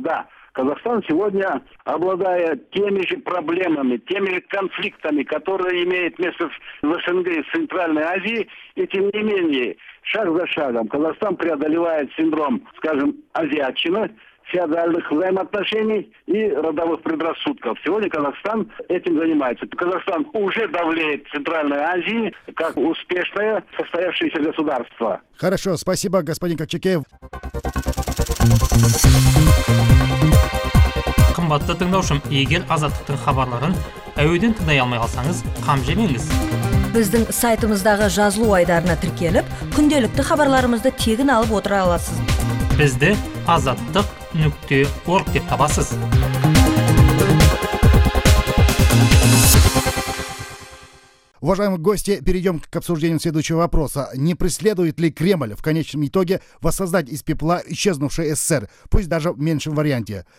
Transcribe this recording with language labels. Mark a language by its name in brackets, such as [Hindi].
[Russian] Да, Казахстан сегодня, обладая теми же проблемами, теми же конфликтами, которые имеют место в СНГ и в Центральной Азии, и тем не менее, шаг за шагом, Казахстан преодолевает синдром, скажем, азиатчины, феодальных взаимоотношений и родовых предрассудков. Сегодня Казахстан этим занимается. Казахстан уже давлеет Центральной Азии как успешное состоявшееся государство. Хорошо, спасибо, господин Кочекеев. [Kazakh] Қымбатты тыңдаушым, егер азаттықтың хабарларын әуеден тыңдай алмай қалсаңыз, қам жемеңіз. Біздің сайтымыздағы жазылу айдарына тіркеліп, күнделікті хабарларымызды тегін алып отыра аласыз. Бізді azattık.org деп табасыз. [Russian] Уважаемые гости, перейдем к обсуждению следующего вопроса. Не преследует ли Кремль в конечном итоге воссоздать из пепла исчезнувший СССР, пусть даже в меньшем варианте?